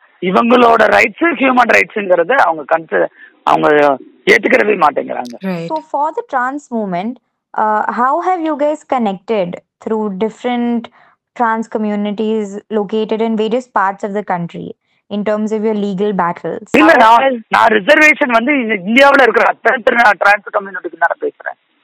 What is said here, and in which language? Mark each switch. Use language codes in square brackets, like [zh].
[ta] இவங்களோட rights human ரைட்ஸ்ங்கறத அவங்க அவங்க ஏத்துக்கவே மாட்டேங்கறாங்க. [en] So for the trans movement, how have you guys connected through different trans communities located in various parts of the country in terms of your legal battles? [ta] இல்ல நான் reservation வந்து இந்தியாவுல இருக்கிற அத்தனை ட்ரான்ஸ் கம்யூனிட்டிக்கு நான் பேசுறேன்.